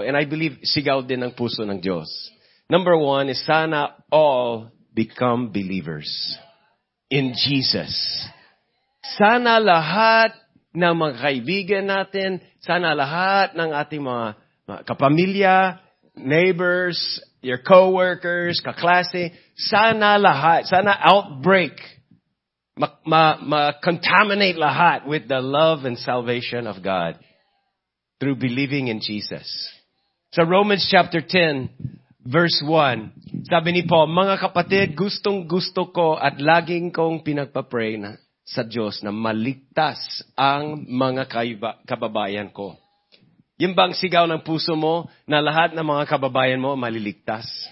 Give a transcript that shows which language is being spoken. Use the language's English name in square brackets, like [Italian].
[Filipino] And I believe sigaw din ng puso ng Diyos. [English] Number one is sana all become believers in Jesus. [Filipino] Sana lahat ng mga kaibigan natin, sana lahat ng ating mga kapamilya, neighbors, your coworkers, kaklase, sana lahat, sana outbreak. [English] Ma-contaminate lahat with the love and salvation of God through believing in Jesus. So Romans chapter 10, verse 1. [Filipino] Sabi ni Paul, mga kapatid, gustong gusto ko at laging kong pinagpa-pray na sa Diyos na maligtas ang mga kababayan ko. Yung bang sigaw ng puso mo na lahat ng mga kababayan mo maliligtas?